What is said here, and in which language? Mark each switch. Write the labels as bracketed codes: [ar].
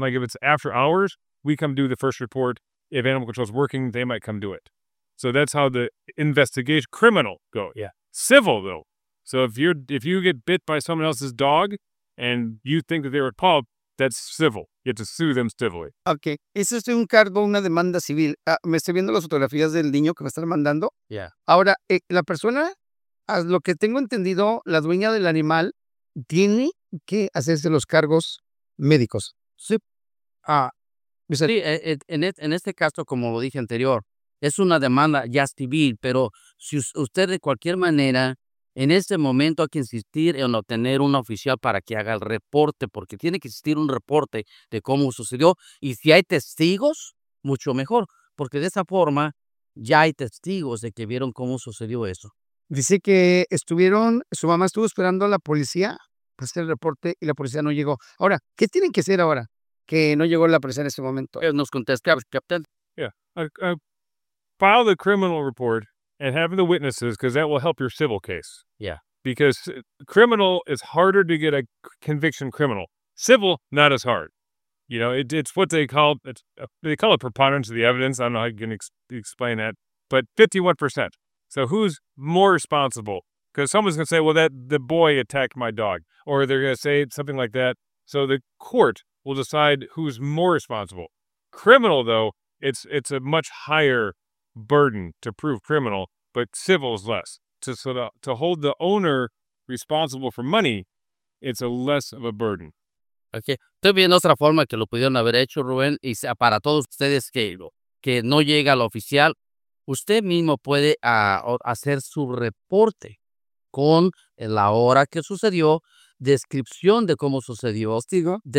[en] Like if it's after hours, we come do the first report. If animal control is working, they might come do it. So that's how the investigation criminal go. Yeah. Civil though. So if you get bit by someone else's dog and you think that they were pulled, that's civil. You have to sue them civilly. [es] Okay. Eso es un cargo, una demanda civil. Me estoy viendo las fotografías del niño que me están mandando. [en] Yeah. [es] Ahora, la persona, a lo que tengo entendido, la dueña del animal tiene que hacerse los cargos médicos. Sí. Sí, en este caso, como lo dije anterior, es una demanda ya civil, pero si usted de cualquier manera, en este momento hay que insistir en obtener un oficial para que haga el reporte, porque tiene que existir un reporte de cómo sucedió. Y si hay testigos, mucho mejor, porque de esa forma ya hay testigos de que vieron cómo sucedió eso. Dice que su mamá estuvo esperando a la policía para hacer el reporte y la policía no llegó. Ahora, ¿qué tienen que hacer ahora que no llegó la policía en ese momento? Nos contesta, Captain. [en] Yeah, file the criminal report and have the witnesses because that will help your civil case. Yeah. Because criminal is harder to get a conviction criminal. Civil, not as hard. You know, it's what they call a preponderance of the evidence. I don't know how you can explain that, but 51%. So who's more responsible? Because someone's going to say, well, that the boy attacked my dog. Or they're going to say something like that. So the court will decide who's more responsible. Criminal, though, it's a much higher burden to prove criminal, but civil is less. To hold the owner responsible for money, it's a less of a burden. Okay. [es] Estoy viendo otra forma que lo pudieron haber hecho, Rubén, y sea para todos ustedes que no llega al oficial. Usted mismo puede hacer su reporte con la hora que sucedió, descripción de cómo sucedió. ¿Testigo?